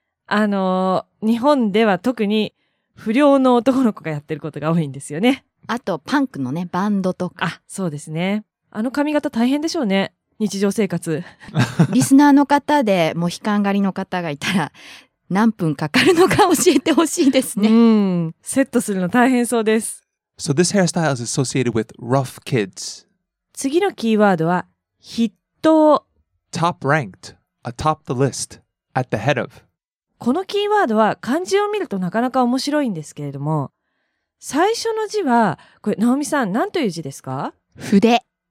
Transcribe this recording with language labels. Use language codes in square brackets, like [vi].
[ja] 日本では特に不良の男の子がやってることが多いんですよね。あとパンクのね、バンドとか。あ、そうですね。あの髪型大変でしょうね、日常生活。リスナーの方でモヒカン狩りの方がいたら何分かかるのか教えてほしいですね。うん、セットするの大変そうです。 [en] So this hairstyle is associated with rough kids。 [ja] 次のキーワードは筆頭、 [en] top ranked、 atop the list、 at the head of。 [ja] このキーワードは漢字を見るとなかなか面白いんですけれども、最初の字はこれ、直美さん何という字ですか？筆、